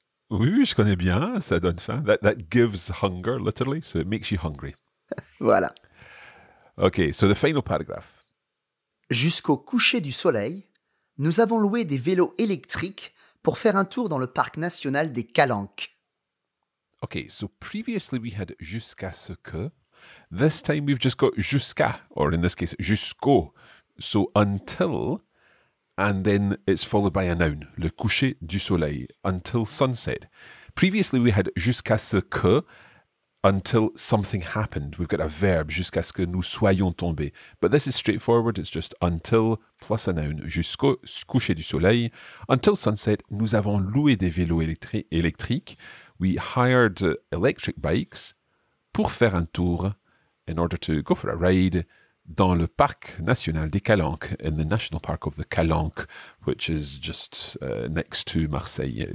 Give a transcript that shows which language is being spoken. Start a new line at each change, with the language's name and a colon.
French: Oui, oui, je connais bien, ça donne faim.
English: That gives hunger, literally, so it makes you hungry.
French: Voilà.
English: Okay, so the final paragraph.
French: Jusqu'au coucher du soleil, nous avons loué des vélos électriques pour faire un tour dans le parc national des Calanques.
English: Okay, so previously we had
French: jusqu'à ce que.
English: This time we've just got
French: jusqu'à,
English: or in this case,
French: jusqu'au.
English: So until, and then it's followed by a noun,
French: le coucher du soleil,
English: until sunset. Previously we had
French: jusqu'à ce que.
English: Until something happened. We've got a verb,
French: jusqu'à ce que nous soyons tombés.
English: But this is straightforward. It's just until plus a noun,
French: jusqu'au coucher du soleil.
English: Until sunset,
French: nous avons loué des vélos électriques.
English: We hired electric bikes
French: pour faire un tour,
English: in order to go for a ride,
French: dans le parc national des Calanques,
English: in the national park of the Calanques, which is just next to Marseille.